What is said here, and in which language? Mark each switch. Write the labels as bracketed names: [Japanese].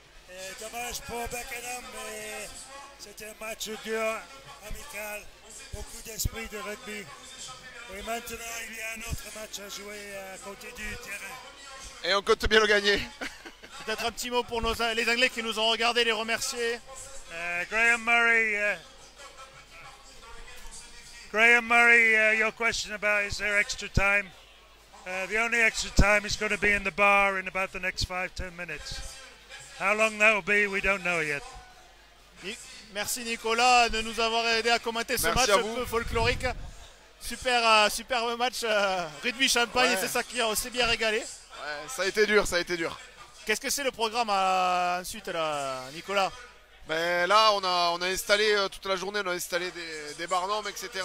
[French] Et dommage pour Beckenham, mais c'était un match dur, amical, beaucoup d'esprit de rugby. Et maintenant, il y a un autre match à jouer à côté du terrain. Et on compte bien le gagner. Peut-être un petit mot pour les Anglais qui nous ont regardé, les remercier. [English] Graham Murray, your question about is there extra time? The only extra time is going to be in the bar in about the next 5-10 minutes. How long that will be, we don't know yet. [French] Merci Nicolas de nous avoir aidé à commenter ce match un peu folklorique. Superbe match, rugby champagne, ouais. Et c'est ça qui a aussi bien régalé. Ouais, ça a été dur. Qu'est-ce que c'est le programme ensuite, là, Nicolas? Ben là, on a installé toute la journée, on a installé des barnums, etc.